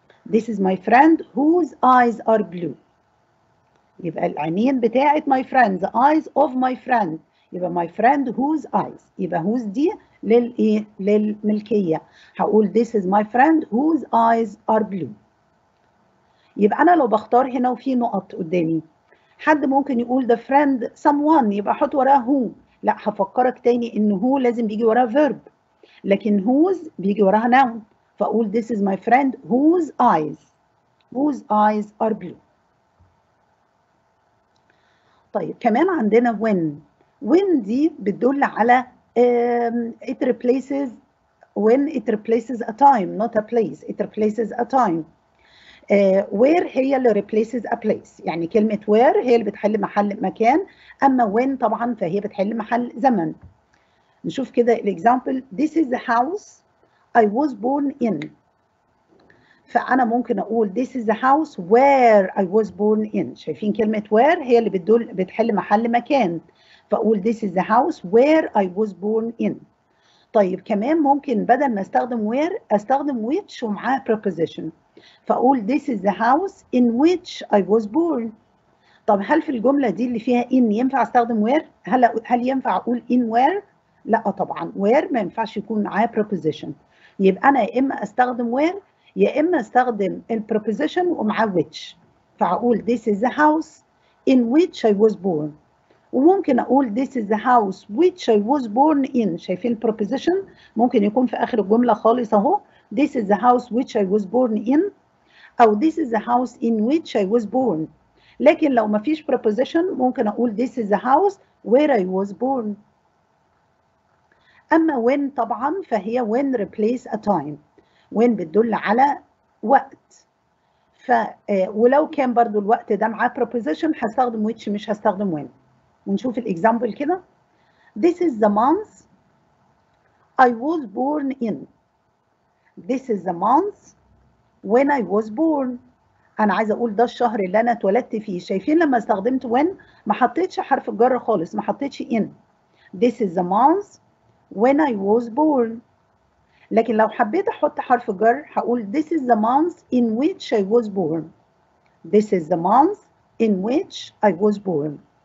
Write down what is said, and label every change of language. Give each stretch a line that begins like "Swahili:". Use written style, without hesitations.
English: This is my friend whose eyes are blue.
Arabic: يبقى العينين بتاعت
English: my friend. The eyes of my friend.
Arabic: يبقى
English: my friend whose eyes.
Arabic: يبقى whose دي للملكية. هقول
English: this is my friend whose eyes are blue.
Arabic: يبقى أنا لو بختار هنا وفي نقط قدامي. حد ممكن يقول
English: the friend someone.
Arabic: يبقى حط وراه who. لا هفكرك تاني إن who لازم بيجي وراه verb. لكن whose بيجي وراها noun. فأقول
English: this is my friend whose eyes are blue.
Arabic: طيب كمان عندنا
English: when. When
Arabic: دي بتدل على
English: it replaces when it replaces a time not a place. It replaces a time. Where
Arabic: هي اللي
English: replaces a place.
Arabic: يعني كلمة where هي اللي بتحل محل مكان. أما when طبعا فهي بتحل محل زمن. نشوف كده الاكزامبل.
English: This is the house I was born in.
Arabic: فأنا ممكن أقول
English: this is the house where I was born in.
Arabic: شايفين كلمة where هي اللي بتدل بتحل محل مكان. فأقول
English: this is the house where I was born in.
Arabic: طيب كمان ممكن بدل ما استخدم where أستخدم which ومعاه preposition. فأقول
English: this is the house in which I was born.
Arabic: طب هل في الجملة دي اللي فيها in ينفع استخدم where؟ هل ينفع أقول in where؟ لا طبعا where ما ينفعش يكون معاه preposition. يبقى أنا يا إما أستخدم where يا إما أستخدم preposition ومعاه which. فأقول
English: this is the house in which I was born.
Arabic: وممكن أقول
English: this is the house which I was born in.
Arabic: شايفين preposition ممكن يكون في آخر الجملة خالص أهو.
English: This is the house which I was born in.
Arabic: أو
English: this is the house in which I was born.
Arabic: لكن لو ما فيش
English: preposition
Arabic: ممكن أقول
English: this is the house where I was born.
Arabic: أما
English: when
Arabic: طبعا فهي
English: when replace a time. when
Arabic: بتدل على وقت. ولو كان برضو الوقت ده معاه preposition هستخدم which مش هستخدم when. ونشوف الاكزامبل كده.
English: This is the month I was born in. This is the month when I was born.
Arabic: أنا عايز أقول ده الشهر اللي أنا اتولدت فيه. شايفين لما استخدمت when ما حطيتش حرف الجر خالص ما حطيتش in.
English: This is the month when I was born.
Arabic: لكن لو حبيت احط حرف جر هقول
English: this is the month in which I was born. This is the month in which I was born.